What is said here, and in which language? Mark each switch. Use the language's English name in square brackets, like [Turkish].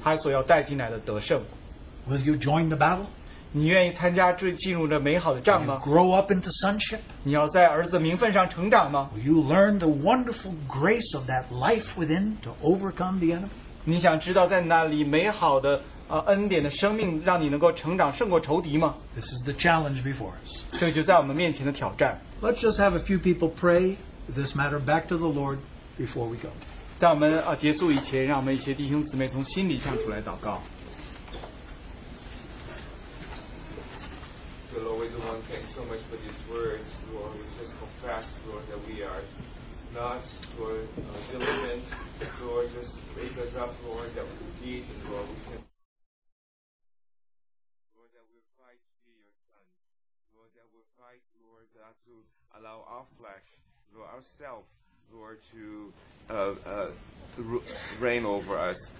[Chinese] 这就是十字架在我们生命当中它所要带进来的得胜。 [English] Will you join the battle? [Chinese] 你愿意参加进入这美好的仗吗? [English] Grow up into sonship? [Chinese] 你要在儿子名分上成长吗? [English] Will you learn the wonderful grace of that life within to overcome the enemy? [Chinese] 你想知道在那里美好的恩典的生命让你能够成长胜过仇敌吗? [English] This is the challenge before us. [Chinese] 这就在我们面前的挑战。 [English] Let's just have a few people pray this matter back to the Lord before we go. [Chinese] 在我们结束以前让我们一些弟兄姊妹从心里向主来祷告。 [English] Lord, we do want to thank you so much for these words, Lord. We just confess, Lord, that we are not, Lord, diligent. Lord, just wake us up, Lord, that we need, and Lord, we can. Lord, that we fight to be your son. Lord, that we fight, Lord, not to allow our flesh, Lord, ourself, Lord, to reign over us.